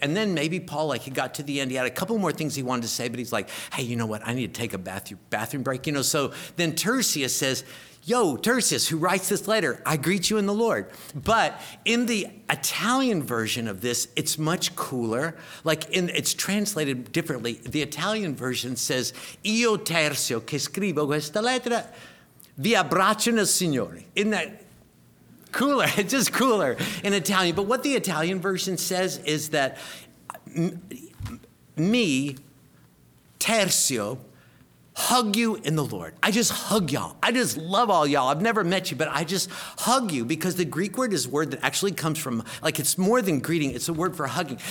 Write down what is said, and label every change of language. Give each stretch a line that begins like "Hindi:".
English: And then maybe Paul, like he got to the end, he had a couple more things he wanted to say, but he's like, hey, you know what? I need to take a bathroom break, you know? So then Tertius says, yo, Tertius, who writes this letter, I greet you in the Lord. But in the Italian version of this, it's much cooler. Like, it's translated differently. The Italian version says,
Italian: io Tertio che scrivo questa lettera, vi abbraccio nel Signore.
English: Isn't that cooler? It's just cooler in Italian. But what the Italian version says is that me, Tertio, hug you in the Lord. I just hug y'all. I just love all y'all. I've never met you, but I just hug you, because the Greek word is a word that actually comes from, like, it's more than greeting. It's a word for hugging.